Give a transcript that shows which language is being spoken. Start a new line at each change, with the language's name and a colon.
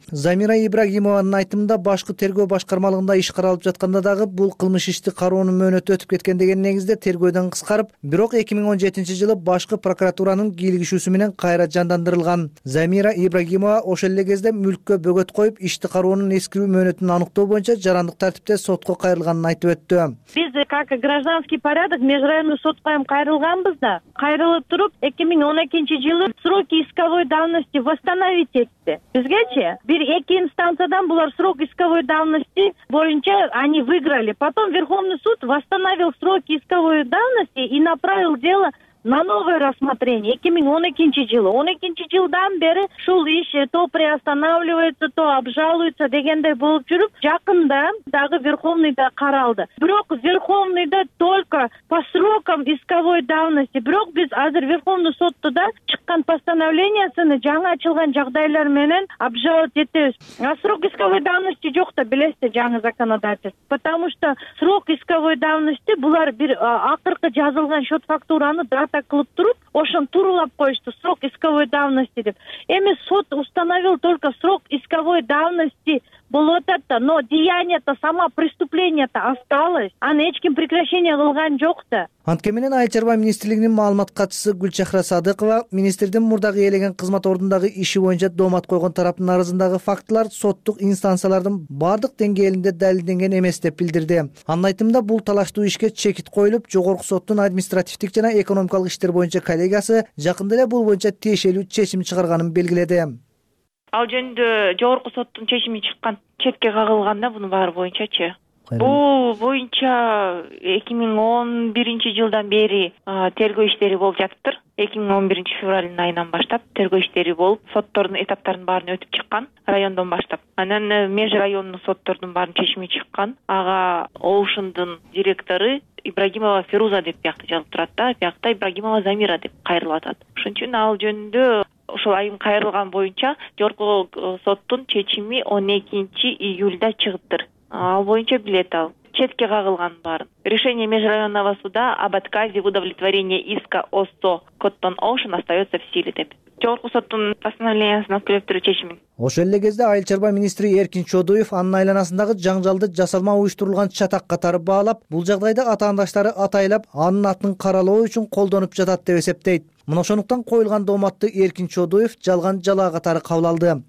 Kyrgyz: Замира Ибрагимованын айтымында башкы тергөө башкармалыгында иш каралып жатканда дагы бул кылмыш ишти кароонун мөөнөтү өтүп кеткен деген негизде тергөөдөн кыскарып, бирок 2017-жылы башкы прокуратуранын кийлигишүүсү менен кайра жандандырылган. Замира Ибрагимова ошол эле кезде мүлккө бөгөт коюп, ишти кароонун эскирүү мөөнөтүн аныктоо боюнча жарандык тартипте сотко кайрылганын айтып өттү. Биз
Russian: как гражданский порядок
Kyrgyz: межрайондук сотко эми кайрылганбыз да, кайрылып туруп 2012-жылы
Russian: срок исковой давности восстановить
Kyrgyz: этти. Бизгечи бир эки инстанциядан булар
Russian: срок исковой давности
Kyrgyz: боюнча
Russian: они выиграли. Потом Верховный суд восстановил срок исковой давности и направил дело на новое рассмотрение
Kyrgyz: 2012-жылы. 12-жылдан бери шул иш
Russian: то приостанавливается, то обжалуется
Kyrgyz: дегендей болуп жүрүп, жакында дагы Верховныйда каралды. Бирок Верховныйда
Russian: только по срокам исковой давности.
Kyrgyz: Бирок биз азыр Верховный сотто да чыккан постановлениясын жаңы ачылган жагдайлар менен обжаловать этебиз.
Russian: А срок исковой давности
Kyrgyz: жок да, билесизби, жаңы
Russian: законодательство. Потому что срок исковой давности
Kyrgyz: булар бир акыркы жазылган счет фактураны так кылып туруп, ошон турулап коюшту
Russian: срок исковой давности
Kyrgyz: деп. Эми сот
Russian: установил только срок исковой давности
Kyrgyz: болуп атат да,
Russian: но деяние-то, само преступление-то осталось.
Kyrgyz: Аны эч ким прекращение кылган жок да. Антке менен айыл чарба министрлигинин маалымат катчысы Гүлчахра Садыкова министрдин мурдагы ээлеген кызмат ордундагы иши боюнча доомат койгон тараптын арызындагы фактылар соттук инстанциялардын бардык деңгээлинде далилденген эмес деп билдирди. Анын айтымында бул талаштуу ишке чекит коюлуп, жогорку соттун административдик жана экономикалык иштер боюнча коллегиясы жакында эле бул боюнча тиешелүү чечим чыгарганын белгиледи. Ал жөнүндө жогорку соттун чечими чыккан, четке кагылган да бунун баары боюнчачы. Бул боюнча 2011-жылдан бери тергөө иштери болуп жатыптыр. 2011 февралдын айынан баштап тергөө иштери болуп, соттордун этаптарын баарын өтүп чыккан райондон баштап. Анан меж райондун соттордун баарын чечими чыккан. Ага Оушендин директору Ибрагимова Фируза деп биякта жазылып турат да, биякта Ибрагимова Замира деп кайрылып атат. Ошон үчүн ал жөнүндө ошол айым кайрылган боюнча жогорку соттун чечими 12-июлда чыгыптыр. Ал боюнча билет ал. Четке кагылган баарын.
Russian: Решение межрайонного суда об отказе в удовлетворении иска ОСО Коттон Оушен остается в силе
Kyrgyz: деп. Жогорку соттун постановлениясын алып келип туруу чечимин. Ошол эле кезде айыл чарба министри Эркин Чодуев анын айланасындагы жаңжалды жасалма уюштурулган чатак катары баалап, бул жагдайды атаандаштары атайлап анын атын каралоо үчүн колдонуп жатат деп эсептейт. Мына ошондуктан коюлган дооматты Эркин Чодуев жалган жалаа катары кабыл алды.